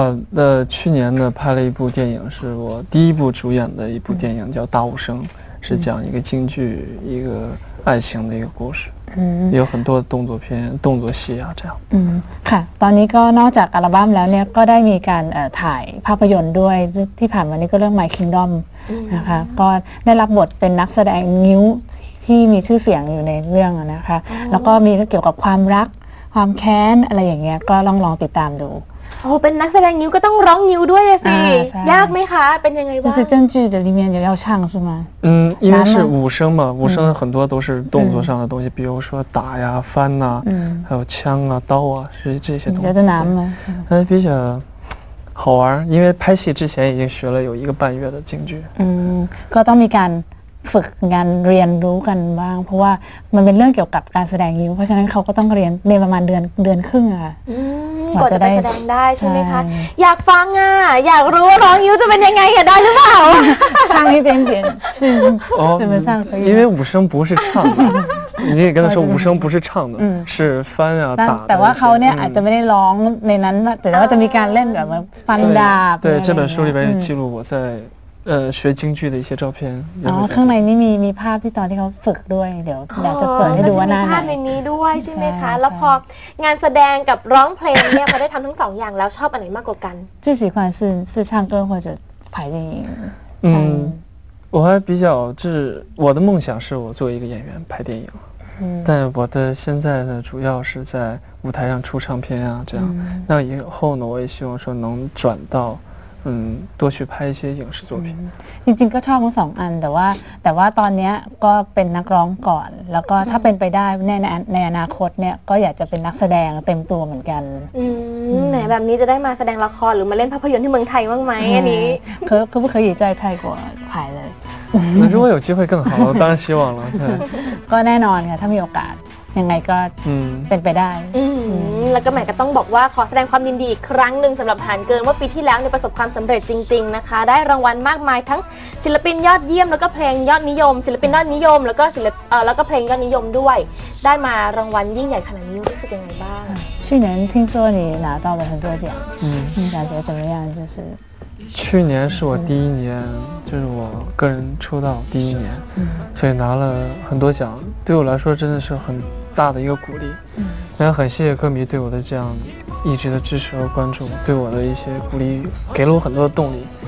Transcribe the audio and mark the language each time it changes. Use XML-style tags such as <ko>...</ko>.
<zh>那去年呢拍了一部电影是我第一部主演的一部电影叫大武生是讲一个京剧一个爱情的一个故事有很多动作片动作戏啊这样</zh> <th>ค่ะตอนนี้ก็นอกจากอัลบั้มแล้วเนี่ยก็ได้มีการถ่ายภาพยนตร์ด้วยที่ผ่านมานี่ก็เรื่อง My Kingdom นะคะก็ได้รับบทเป็นนักแสดงงิ้วที่มีชื่อเสียงอยู่ในเรื่องนะคะแล้วก็มีเกี่ยวกับความรักความแค้นอะไรอย่างเงี้ยก็ลองติดตามดู โอ้เป็นนักแสดงงิ้วก็ต้องร้องงิ้วด้วยสิยากไหมคะเป็นยังไงบ้าง</th> <zh>就是京剧的里面也要唱是吗因为是武生嘛武生很多都是动作上的东西比如说打呀翻呐还有枪啊刀啊是这些东西你觉得难吗比较好玩因为拍戏之前已经学了有一个半月的京剧</zh> <th>ก็ต้องมีการฝึกงานเรียนรู้กันบ้างเพราะว่ามันเป็นเรื่องเกี่ยวกับการแสดงงิ้วเพราะฉะนั้นเขาก็ต้องเรียนประมาณเดือนครึ่งอ่ะ ก่อนจะไปแสดงได้ใช่ไหมคะอยากฟังอ่ะอยากรู้ว่าร้องงิ้วจะเป็นยังไงอ่ะได้หรือเปล่า ช่างให้เต็มเต็ม โอ้ไม่ช่างเลย</th> <zh>因为武生不是唱的你也跟他说武生不是唱的是翻啊打</zh> <th>แต่ว่าเขาเนี่ยอาจจะไม่ได้ร้องในนั้นแต่ว่าจะมีการเล่นแบบฟันดาบ</th> <zh>对这本书里边也记录我在学京剧的一些照片</zh> <th>ข้างในนี่มีภาพที่ตอนที่เขาฝึกด้วยเดี๋ยวจะเปิดให้ดูว่าหน้าไหน ภาพในนี้ด้วยใช่ไหมคะแล้วพองานแสดงกับร้องเพลงเนี่ยพอได้ทำทั้งสองอย่างแล้วชอบอันไหนมากกว่ากัน</th> <zh>最喜欢是唱歌或者拍电影我还比较是我的梦想是我作为一个演员拍电影但我的现在呢主要是在舞台上出唱片啊这样那以后呢我也希望说能转到多去拍一些影视作品</zh> <th>จริงๆก็ชอบทั้งสองอันแต่ว่าตอนนี้ก็เป็นนักร้องก่อนแล้วก็ถ้าเป็นไปได้ในอนาคตเนี่ยก็อยากจะเป็นนักแสดงเต็มตัวเหมือนกัน ไหนแบบนี้จะได้มาแสดงละครหรือมาเล่นภาพยนตร์ที่เมืองไทยบ้างไหมอันนี้คือเคยอยู่ใจไทยกว่าไทยเลย</th> <zh>那如果有机会更好了，当然希望了。</zh> <th>ก็แน่นอนค่ะถ้ามีโอกาสยังไงก็เป็นไปได้แล้วก็แม่ก็ต้องบอกว่าขอแสดงความยินดีอีกครั้งนึงสำหรับหานเกินว่าปีที่แล้วเนี่ยประสบความสำเร็จจริงๆนะคะได้รางวัลมากมายทั้งศิลปินยอดเยี่ยมแล้วก็เพลงยอดนิยมศิลปินยอดนิยมแล้วก็ศิลป์แล้วก็เพลงยอดนิยมด้วยได้มารางวัลยิ่งใหญ่ขนาดนี้รู้สึกยังไงบ้าง</th> <zh>去年听说你拿到了很多奖，嗯，感觉怎么样？就是去年是我第一年，就是我个人出道第一年，嗯，所以拿了很多奖，对我来说真的是很大的一个鼓励，嗯，也很谢谢歌迷对我的这样一直的支持和关注，对我的一些鼓励，给了我很多的动力。</zh>